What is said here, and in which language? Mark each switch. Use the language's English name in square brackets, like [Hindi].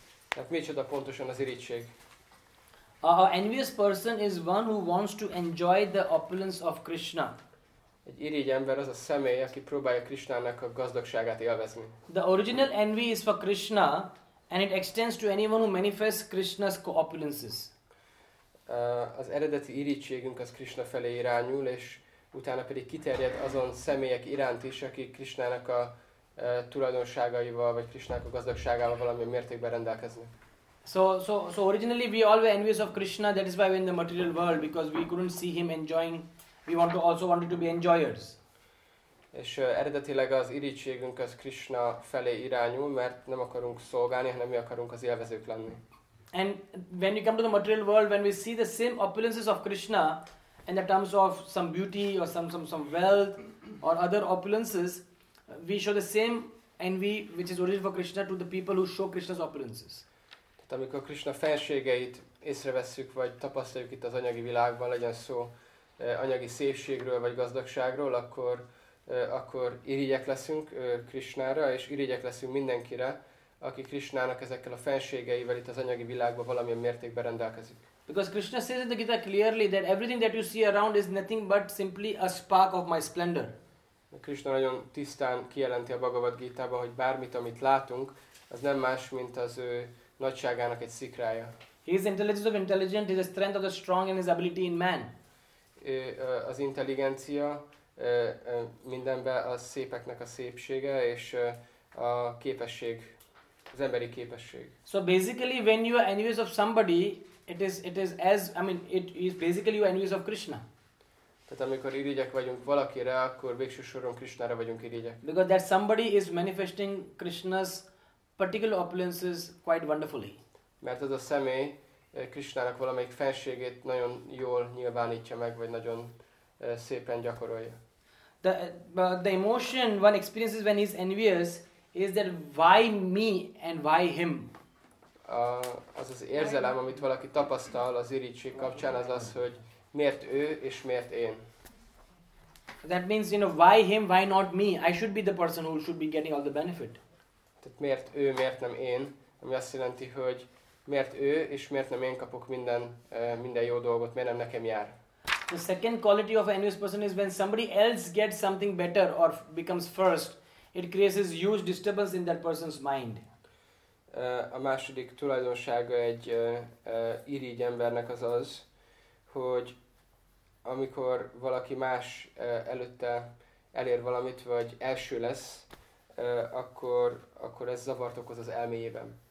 [Hungarian] Tehát micsoda pontosan az irigység? [English] A envious person is one who wants to enjoy the opulence of Krishna. [Hungarian] Egy irigy ember az a személy, aki próbálja Krishnának a gazdagságát élvezni. [English] The original envy is for Krishna, and it extends to anyone who manifests Krishna's opulences. [Hungarian] Az eredeti irigységünk az Krishna felé irányul, és utána pedig kiterjed azon személyek iránt is, akik Krishnának a tulajdonságaival, vagy Krishnának a gazdagságával valamilyen mértékben rendelkeznek. [English] So originally we all were envious of Krishna, that is why we're in the material world, because we couldn't see him enjoying, we wanted to be enjoyers. [Hungarian] És eredetileg az irigységünk az Krishna felé irányul, mert nem akarunk szolgálni, hanem mi akarunk az élvezők lenni. [English] And when we come to the material world, when we see the same opulences of Krishna, in the terms of some beauty or some wealth or other opulences, we show the same envy which is original for Krishna to the people who show Krishna's opulences. [Hungarian] Amikor Krishna fenségeit észrevesszük, vagy tapasztaljuk itt az anyagi világban, legyen szó anyagi szépségről, vagy gazdagságról, akkor irigyek leszünk Krishnára, és irigyek leszünk mindenkire, aki Krishnának ezekkel a fenségeivel itt az anyagi világban valamilyen mértékben rendelkezik. [English] Because Krishna says in the Gita clearly that everything that you see around is nothing but simply a spark of my splendor. [Hungarian] Krishna nagyon tisztán kijelenti a Bhagavad Gita-ban, hogy bármit, amit látunk, az nem más, mint az ő nagyságának egy szikrája. [English] He is intelligence of intelligent, he is the strength of the strong and his ability in man. [Hungarian] Az intelligencia mindenben a szépeknek a szépsége és a képesség, az emberi képesség. [English] So basically when you are envious of somebody, it is basically you are envious of Krishna. [Hungarian] Tehát amikor irigyek vagyunk valakire, akkor végső soron Krishnára vagyunk irigyek. [English] Because that somebody is manifesting Krishna's particular opulences quite wonderfully. [Hungarian] Mert az a személy Krishnának valamelyik fenségét nagyon jól nyilvánítja meg, vagy nagyon szépen gyakorolja. [English] The emotion one experiences when he's envious is that why me and why him? [Hungarian] Az érzelem, amit valaki tapasztal az irigység kapcsán, az, hogy miért ő és miért én. [English] That means, you know, why him, why not me? I should be the person who should be getting all the benefit. [Hungarian] Tehát miért ő, miért nem én, ami azt jelenti, hogy miért ő, és miért nem én kapok minden jó dolgot, miért nem nekem jár. [English] The second quality of an envious person is when somebody else gets something better or becomes first, it creates huge disturbance in that person's mind. [Hungarian] A második tulajdonsága egy irigy embernek az, hogy amikor valaki más előtte elér valamit, vagy első lesz, akkor ez zavart okoz az elméjében.